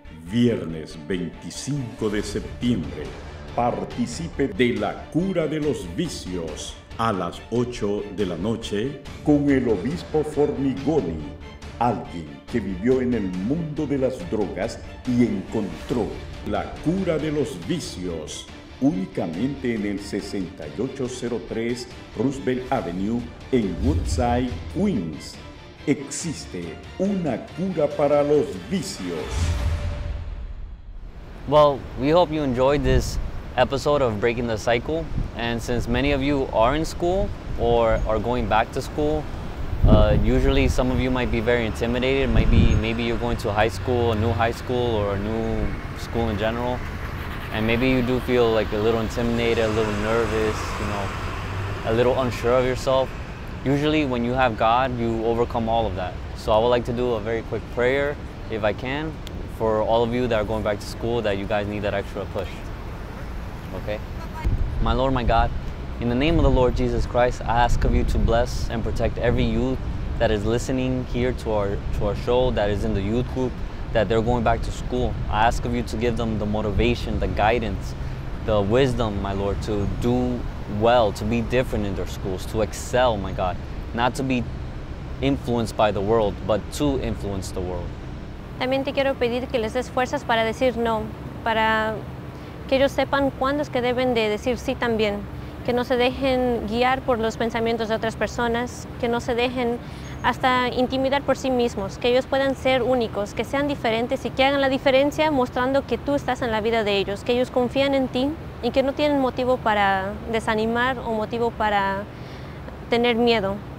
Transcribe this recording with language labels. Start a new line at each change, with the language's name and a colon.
Spanish: Viernes 25 de septiembre, participe de la cura de los vicios a las 8 de la noche con el obispo Formigoni, alguien que vivió en el mundo de las drogas y encontró la cura de los vicios únicamente en el 6803 Roosevelt Avenue, en Woodside, Queens. Existe una cura para los vicios.
English: Well, we hope you enjoyed this episode of Breaking the Cycle. And since many of you are in school or are going back to school, usually some of you might be very intimidated. Maybe you're going to high school, a new high school, or a new school in general. And maybe you do feel like a little intimidated, a little nervous, you know, a little unsure of yourself. Usually when you have God, you overcome all of that. So I would like to do a very quick prayer, if I can, for all of you that are going back to school, that you guys need that extra push. Okay? My Lord, my God, in the name of the Lord Jesus Christ, I ask of you to bless and protect every youth that is listening here to our show, that is in the youth group, that they're going back to school. I ask of you to give them the motivation, the guidance, the wisdom, my Lord, to do well, to be different in their schools, to excel, my God, not to be influenced by the world, but to influence the world.
Spanish: También te quiero pedir que les des fuerzas para decir no, para que ellos sepan cuándo es que deben de decir sí también, que no se dejen guiar por los pensamientos de otras personas, que no se dejen hasta intimidar por sí mismos, que ellos puedan ser únicos, que sean diferentes y que hagan la diferencia mostrando que tú estás en la vida de ellos, que ellos confían en ti y que no tienen motivo para desanimar o motivo para tener miedo.